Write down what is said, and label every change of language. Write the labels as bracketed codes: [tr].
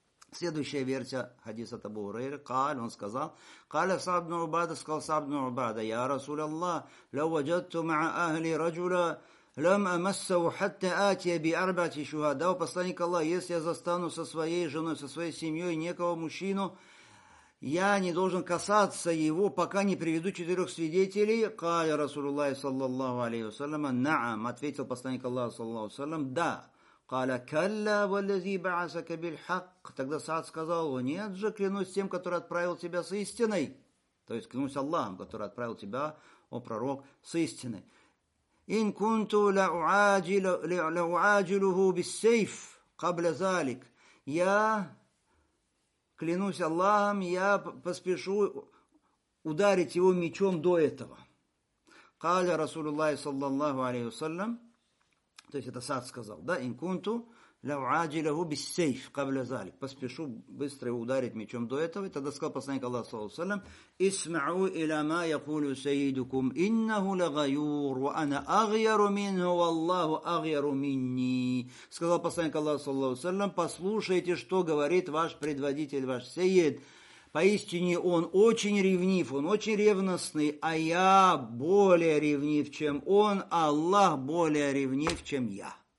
[ru] Следующая версия хадиса от Абу Хурейры, каль, он сказал, каля Саад ибн Убада, сказал Саад ибн Убада, я Расул Аллах, [ar] лау ваджадту маа ахли раджуля, لم أمسه حتى آتي بأربعة شهداء. [ru] Посланник Аллах, если я застану со своей женой, со своей семьей некого мужчину, я не должен касаться его, пока не приведу 4 свидетелей. [ar] قال رسول الله صلى الله عليه وسلم نعم. [ru] Ответил посланник Аллаха صلى الله عليه وسلم да. [ar] قال كلا والذي بعثك بالحق. [ru] Тогда Саад сказал, нет же, клянусь тем, который отправил тебя с истиной. То есть клянусь Аллахом, который отправил тебя, о пророк, с истиной. [ar] إن كنت لأعاجله بالسيف قبل ذلك. [ru] Я клянусь Аллахом, я поспешу ударить его мечом до этого. [ar] قال رسول الله صلى الله عليه وسلم. [ru] То есть это Саад сказал. [ar] Да, إن كنت لأعاجله بالسيف قبل ذلك. [ru] Поспешу быстро его ударить мечом до этого. И тогда сказал посланник Аллаха صلى الله عليه وسلم. [ar] اسمعوا إلى ما يقول سيدكم إنه لغيور وأنا أغير منه والله أغير مني. [ru] Сказал посланник Аллаха صلى الله عليه وسلم. Послушайте, что говорит ваш предводитель, ваш сейид. Поистине он очень ревнив, он очень ревностный, а я более ревнив, чем он, Аллах более ревнив, чем я.